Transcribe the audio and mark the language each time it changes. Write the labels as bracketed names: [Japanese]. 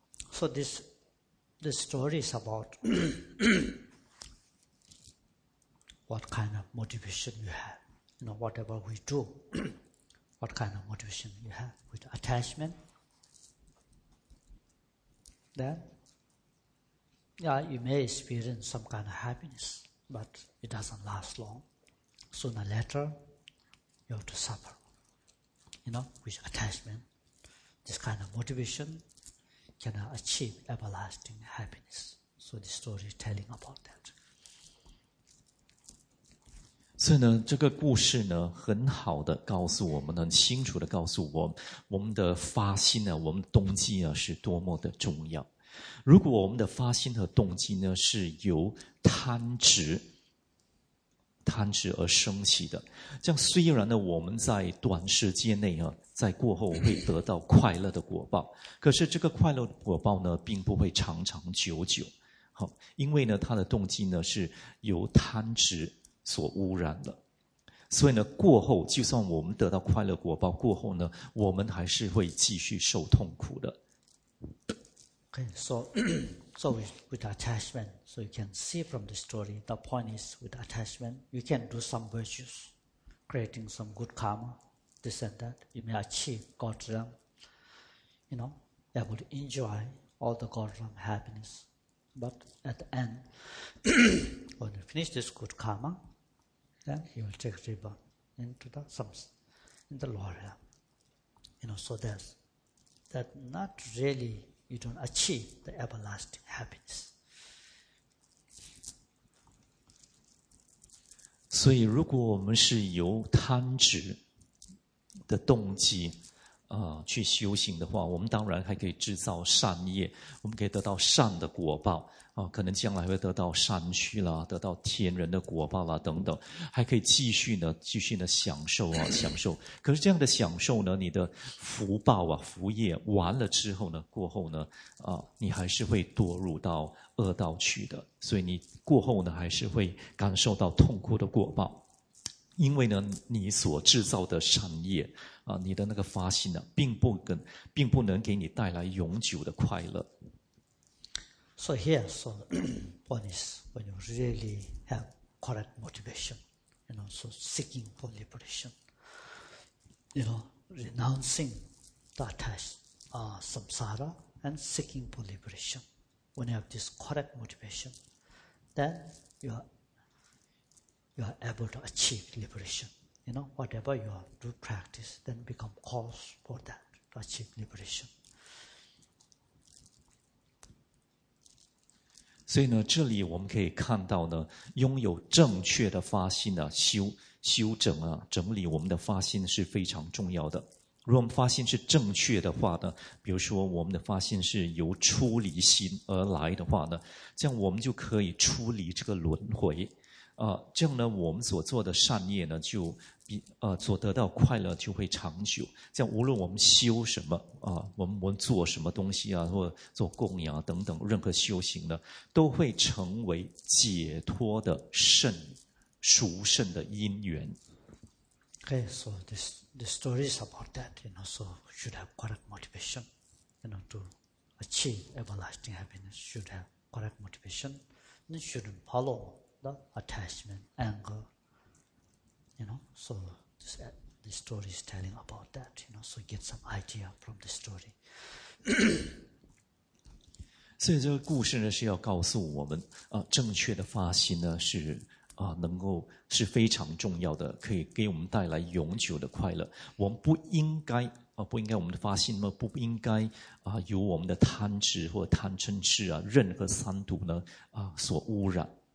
[English] So thisThe story is about what kind of motivation you have. You know, whatever we do, what kind of motivation you have with attachment. Then, yeah, you may experience some kind of happiness, but it doesn't last long. Sooner or later, you have to suffer. You know, with attachment, this kind of motivation,can achieve everlasting happiness. So the story is telling about that. [Chinese] 所以呢，这个故事呢，很好的告诉我们，很清楚的告诉我们，我们的发心呢，我们的动机啊，是多么的重要。如果我们的发心和动机呢，是由贪执而生起的，这样虽然呢，我们在短时间内啊。在过后会得到快乐的果报，可是这个快乐果报呢，并不会长长久久，好，因为呢，它的动机呢是由贪执所污染的，所以呢，过后就算我们得到快乐果报，过后呢，我们还是会继续受痛苦的。 [English] Okay, so with attachment, so you can see from the story, the point is with attachment, you can do some virtues, creating some good karma. This and that, you may achieve God realm, you know, able to enjoy all the God realm happiness. But at the end, when you finish this good karma, then you will take rebirth into the in the lower realm. You know, so that not really, you don't achieve the everlasting happiness. [Chinese] 所以，如果我们是由贪执的动机去修行的话，我们当然还可以制造善业，我们可以得到善的果报可能将来会得到善趣啦，得到天人的果报啦等等，还可以继续呢享受。可是这样的享受呢，你的福报啊福业完了之后呢，过后呢你还是会堕入到恶道去的，所以你过后呢还是会感受到痛苦的果报。因为呢，你所制造的善业啊，你的那个发心呢，并不能给你带来永久的快乐。 [English] So here, so one is when you really have correct motivation, you know, so seeking for liberation, you know, renouncing the attached samsara and seeking for liberation. When you have this correct motivation, then you are able to achieve liberation. You know, whatever you do practice, then become cause for that, to achieve liberation. [Chinese] 所以呢，这里我们可以看到呢，拥有正确的发心呢，修整整理我们的发心是非常重要的。如果我们发心是正确的话呢，比如说我们的发心是由出离心而来的话呢，这样我们就可以出离这个轮回。这样呢，我们所做的善业呢，就所得到快乐就会长久。这样，无论我们修什么我们做什么东西啊，或做供养、等等，任何修行呢，都会成为解脱的殊胜的因缘。 [English] Okay, so the story is about that. You know, so should have correct motivation. You know, to achieve everlasting happiness, should have correct motivation. Then shouldn't follow. Attachment, anger, you know, so the story is telling about that, you know, so get some idea from the story. [Chinese] 所以这个故事呢是要告诉我们正确的发心呢是啊，能够是非常重要的，可以给我们带来永久的快乐。我们不应该啊，不应该我们的发心呢，不应该啊，由我们的贪执或贪嗔痴啊，任何三毒呢啊所污染。